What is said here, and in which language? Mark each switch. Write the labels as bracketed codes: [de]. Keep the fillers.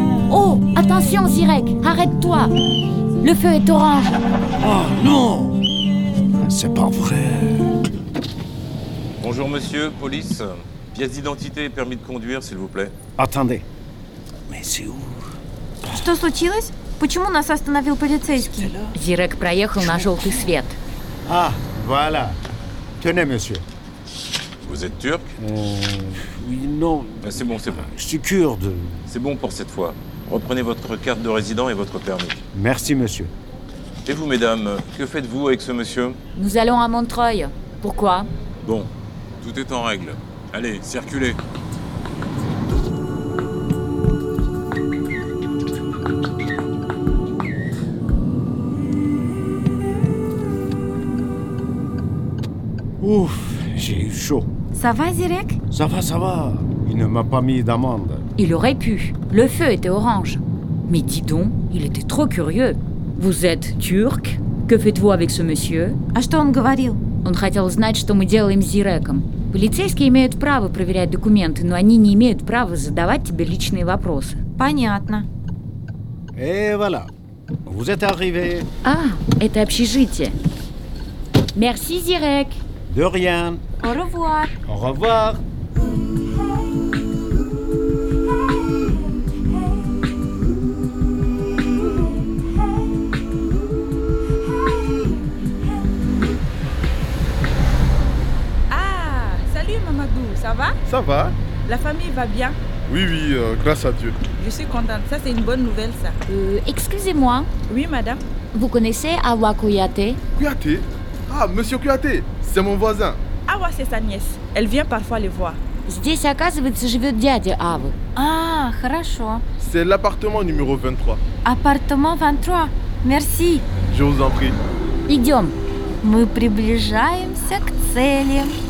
[fr] Oh, attention, Zirek, arrête-toi. Le feu est orange. Oh non C'est pas vrai. Bonjour, monsieur, police. Pièce d'identité et permis de conduire, s'il vous plaît. Attendez. Mais c'est où [ru] Что случилось Почему нас остановил полицейский? [fr] Зирек à la feu jaune. Ah, voilà. Tenez, monsieur. Vous êtes turc mmh. Oui, non. Ah, c'est bon, c'est bon. Ah, je suis kurde. C'est bon pour cette fois. Reprenez votre carte de résident et votre permis. Merci, monsieur. Et vous, mesdames, que faites-vous avec ce monsieur Nous allons à Montreuil. Pourquoi Bon, tout est en règle. Allez, circulez. Ouf, j'ai eu chaud. Ça va, Zirek Ça va, ça va. Il ne m'a pas mis d'amende. Il aurait pu. Le feu était orange. Mais dis donc, il était trop curieux. Vous êtes turc Que faites-vous avec ce monsieur que [ru] что он говорил Он хотел знать, что мы делаем с Зиреком. Полицейские имеют право проверять документы, но они не имеют права задавать тебе личные вопросы. Понятно. [fr] Et voilà. Vous êtes arrivé. [ru] Ah, это общежитие. [fr] Merci, Zirek. De rien. Au revoir. Au revoir. Ah salut Mamadou, Ça va Ça va. La famille va bien Oui, oui, euh, grâce à Dieu. Je suis contente. Ça, c'est une bonne nouvelle, ça. Euh, Excusez-moi. Oui, madame. Vous connaissez Awa Kouyate Kouyate Ah, monsieur Kouyate, c'est mon voisin. Ава, c'est sa nièce. Elle vient parfois les voir. [ru] Здесь, оказывается, живет дядя Авы. А, хорошо. [fr] C'est l'appartement numéro 23. Appartement 23. Merci. Je vous en prie. [ru] Идем. Мы приближаемся к цели.